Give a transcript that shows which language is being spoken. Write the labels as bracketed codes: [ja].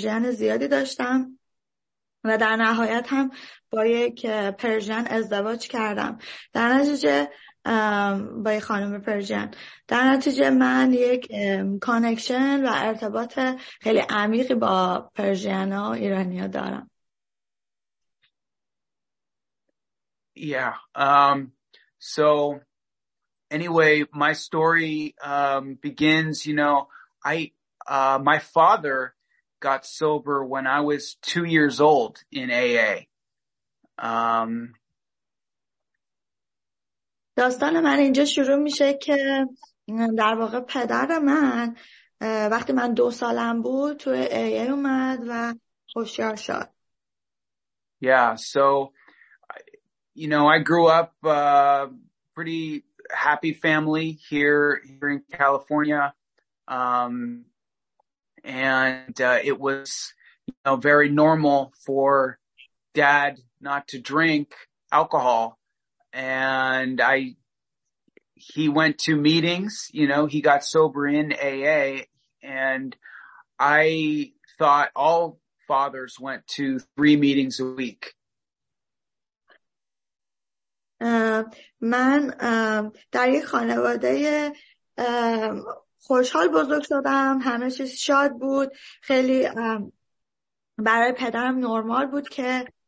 [fa] زیادی داشتم و در نهایت هم با یک پرژین ازدواج کردم، در نتیجه با یه خانم پرژین. در نتیجه من یک کانکشن و ارتباط خیلی عمیقی با پرژین و ایرانی ها دارم. [en] Yeah. So anyway, my story begins, my father got sober when I was 2 years old in AA. [fa] داستان من اینجا شروع میشه که در واقع پدر من وقتی من 2 سالم بود توی AA اومد و هوشیار شد. [en] Yeah, so I grew up pretty happy family here in California. It was very normal for dad not to drink alcohol. And he went to meetings, he got sober in AA, and I thought all fathers went to 3 meetings a week. [fa] من در یک خانواده خوشحال بزرگ شدم، همه چیز شاد بود، خیلی برای پدرم نرمال بود که